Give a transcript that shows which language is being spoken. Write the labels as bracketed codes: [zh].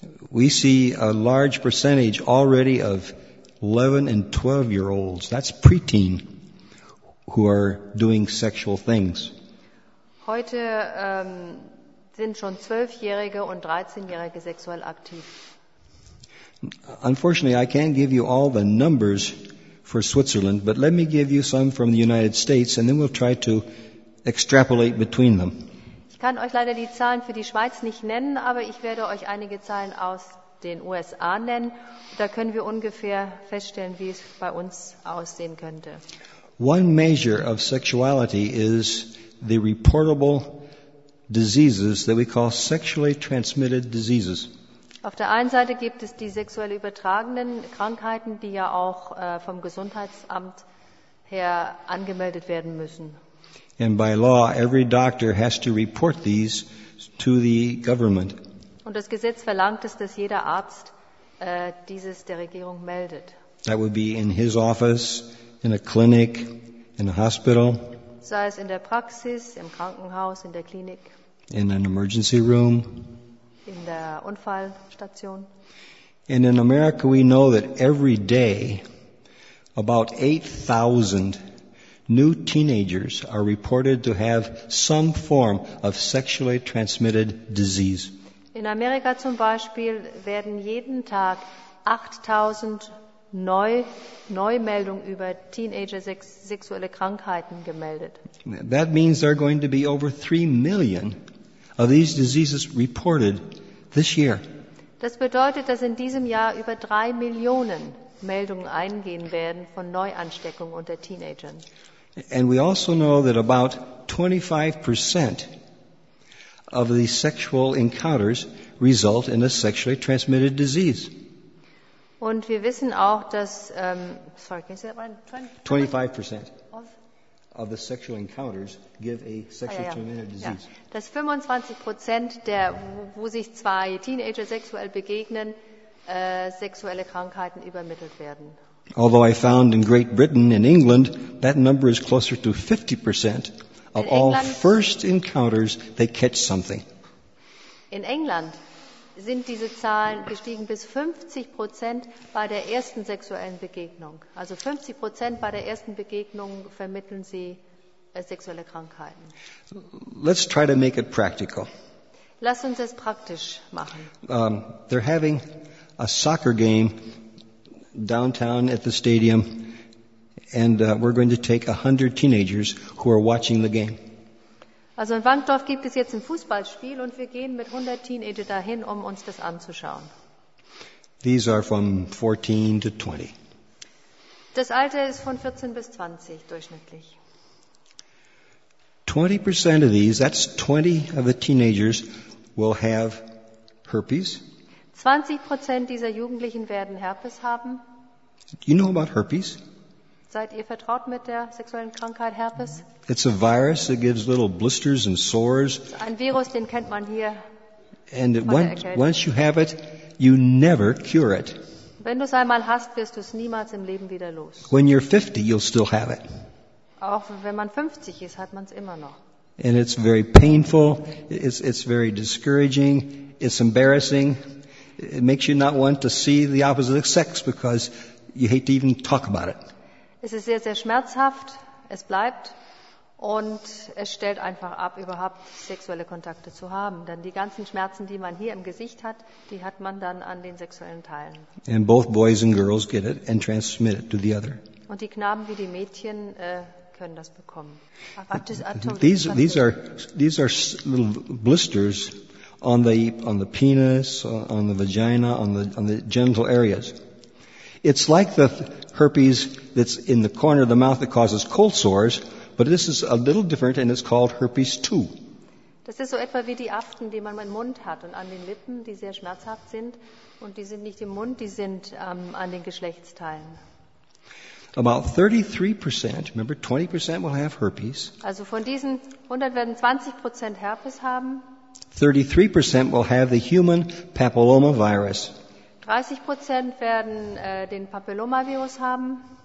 [en] We see a large percentage already of 11 and 12 year olds, that's preteen, who are doing sexual things. [de] Heute sind schon 12-Jährige und 13-Jährige sexuell aktiv. [en] Unfortunately, I can't give you all the numbers for Switzerland, but let me give you some from the United States and then we'll try to extrapolate between them. [de] Ich kann euch leider die Zahlen für die Schweiz nicht nennen, aber ich werde euch einige Zahlen aus den USA nennen. Da können wir ungefähr feststellen, wie es bei uns aussehen könnte. [en] One measure of sexuality is the reportable diseases that we call sexually transmitted diseases. [de] Auf der einen Seite gibt es die sexuell übertragenen Krankheiten, die ja auch vom Gesundheitsamt her angemeldet werden müssen. [en] And by law, every doctor has to report these to the government. [de] Und das Gesetz verlangt es, dass jeder Arzt dieses der Regierung meldet. [en] That would be in his office, in a clinic, in a hospital. [de] Sei es in der Praxis, im Krankenhaus, in der Klinik. [en] In an emergency room. [de] In der Unfallstation. [en] And in America, we know that every day, about 8,000 new teenagers are reported to have some form of sexually transmitted disease. [de] In Amerika zum Beispiel werden jeden Tag 8,000 Neumeldungen über Teenager-sexuelle Krankheiten gemeldet. [en] That means there are going to be over 3 million of these diseases reported this year. [de] Das bedeutet, dass in diesem Jahr über 3 Millionen Meldungen eingehen werden von Neuansteckungen unter Teenagern. [en] And we also know that about 25% of the sexual encounters result in a sexually transmitted disease. [de] Und wir wissen auch, dass [en] 25% of the sexual encounters give a sexually transmitted disease. [de] Ja. Dass 25% der, wo sich zwei Teenager sexuell begegnen, sexuelle Krankheiten übermittelt werden. [en] Although I found in Great Britain and England, that number is closer to 50% of all first encounters, they catch something. [de] In England sind diese Zahlen gestiegen bis 50% bei der ersten sexuellen Begegnung. Also 50% bei der ersten Begegnung vermitteln sie sexuelle Krankheiten. [en] Let's try to make it practical. [de] Lass uns es praktisch machen. [en] They're having a soccer game downtown at the stadium, and we're going to take 100 teenagers who are watching the game. [de] Also in Wankdorf gibt es jetzt ein Fußballspiel und wir gehen mit 100 Teenager dahin, um uns das anzuschauen. [en] These are from 14 to 20. [de] Das Alter ist von 14 bis 20 durchschnittlich. [en] 20% of these, that's 20 of the teenagers, will have herpes. [de] 20% dieser Jugendlichen werden Herpes haben. [en] You know about herpes? [de] Seid ihr vertraut mit der sexuellen Krankheit Herpes? [en] It's a virus that gives little blisters and sores. [de] Ein Virus, den kennt man hier. [en] And once you have it, you never cure it. [de] Wenn du es einmal hast, wirst du es niemals im Leben wieder los. [en] When you're 50, you'll still have it. [de] Auch wenn man 50 ist, hat man es immer noch. [en] And it's very painful. It's very discouraging. It's embarrassing. It makes you not want to see the opposite sex because you hate to even talk about it. [de] Es ist sehr, sehr schmerzhaft. Es bleibt. Und es stellt einfach ab, überhaupt sexuelle Kontakte zu haben. Denn die ganzen Schmerzen, die man hier im Gesicht hat, die hat man dann an den sexuellen Teilen. [en] And both boys and girls get it and transmit it to the other. [de] Und die Knaben wie die Mädchen können das bekommen. [en] These are little blisters on the penis, on the vagina, on the genital areas. It's like the herpes that's in the corner of the mouth that causes cold sores. But this is a little different, and it's called herpes 2. [de] Das ist so etwa wie die Aften, die man im Mund hat und an den Lippen, die sehr schmerzhaft sind, und die sind nicht im Mund, die sind an den Geschlechtsteilen. [en] About 33%, remember, 20% will have herpes. [de] Also von diesen 100 werden 20% Herpes haben. [en] 33% will have the human papillomavirus. [de] 30% werden den Papillomavirus haben.